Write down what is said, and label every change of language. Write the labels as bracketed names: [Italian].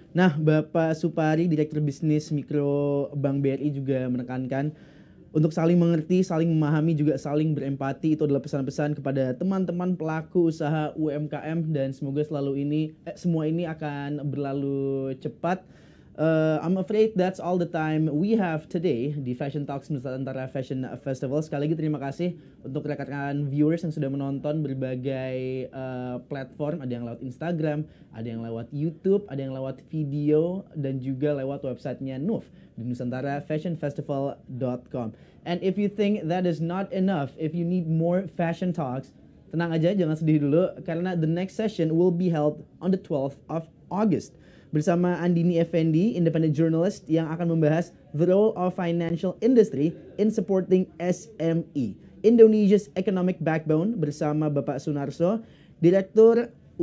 [Indonesian] Nah, Bapak Supari, Direktur Bisnis Mikro Bank BRI juga menekankan untuk saling mengerti, saling memahami, juga saling berempati. Itu adalah pesan-pesan kepada teman-teman pelaku usaha UMKM dan semoga selalu ini semua ini akan berlalu cepat. [English] I'm afraid that's all the time we have today di Fashion Talks Nusantara Fashion Festival. [Indonesian] Sekali lagi terima kasih untuk rekan-rekan viewers yang sudah menonton berbagai platform. Ada yang lewat Instagram, ada yang lewat YouTube, ada yang lewat video, dan juga lewat website-nya NUF di nusantarafashionfestival.com. [English] And if you think that is not enough, if you need more Fashion Talks, [Indonesian] tenang aja, jangan sedih dulu, karena [English] the next session will be held on the 12th of August. [Indonesian] Bersama [English] Andini Effendi, independent journalist [Indonesian] yang akan membahas [English] the role of financial industry in supporting SME, Indonesia's economic backbone, [Indonesian] bersama Bapak Sunarso, Direktur